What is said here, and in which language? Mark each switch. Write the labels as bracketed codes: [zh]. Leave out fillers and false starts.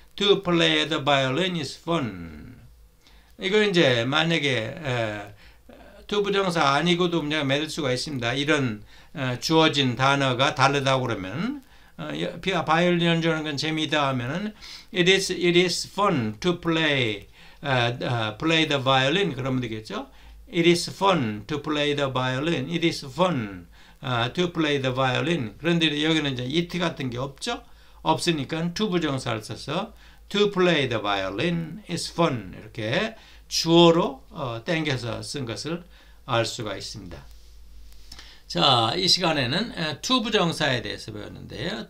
[en] To play the violin is fun. [ko] 이거 이제 만약에 to 부정사 아니고도 문장을 맺을 수가 있습니다. 이런 주어진 단어가 다르다고 그러면 바이올린 연주하는 건 재미있다 하면은 [en] it is fun to play the violin [ko] 그러면 되겠죠? [en] It is fun to play the violin. It is fun to play the violin. [ko] 그런데 여기는 이제 it 같은 게 없죠? 없으니까 to 부정사를 써서 [en] to play the violin is fun [ko] 이렇게 주어로 땡겨서 쓴 것을 알 수가 있습니다. 자, 이 시간에는 to 부정사에 대해서 배웠는데요.